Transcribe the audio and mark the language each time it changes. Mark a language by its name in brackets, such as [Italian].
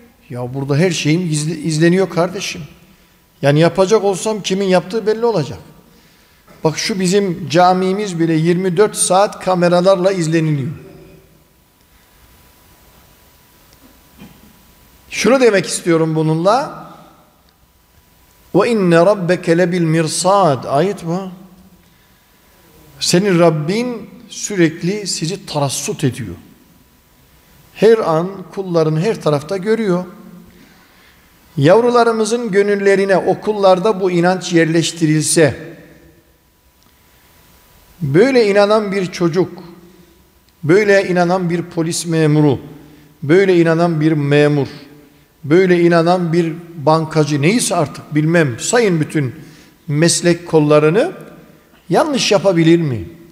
[Turkish] Ya burada her şeyim izleniyor kardeşim. Yani yapacak olsam kimin yaptığı belli olacak. Bak şu bizim camimiz bile 24 saat kameralarla izleniliyor. Şunu demek istiyorum bununla. [Arabic] وَاِنَّ رَبَّكَ لَبِالْمِرْصَادِ [Turkish] Ayet bu. Senin Rabbin sürekli sizi tarassut ediyor. Her an kullarını her tarafta görüyor. Yavrularımızın gönüllerine okullarda bu inanç yerleştirilse, böyle inanan bir çocuk, böyle inanan bir polis memuru, böyle inanan bir memur, böyle inanan bir bankacı, neyse artık bilmem, sayın bütün meslek kollarını, yanlış yapabilir mi?